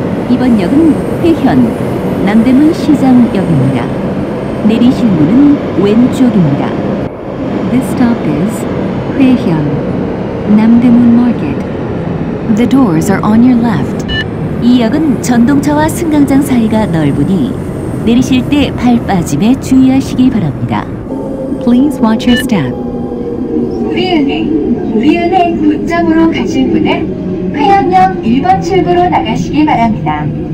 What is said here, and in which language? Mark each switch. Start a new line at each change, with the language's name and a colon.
Korean: 2번역은 회현, 남대문 시장역입니다. 내리실 문은 왼쪽입니다.
English: This stop is 회현, 남대문 마켓. The doors are on your left.
Korean: 이 역은 전동차와 승강장 사이가 넓으니 내리실 때 발 빠짐에 주의하시기 바랍니다.
English: Please watch your step.
Korean: 우리은행 본점으로 가실 분은 회현역 1번 출구로 나가시기 바랍니다.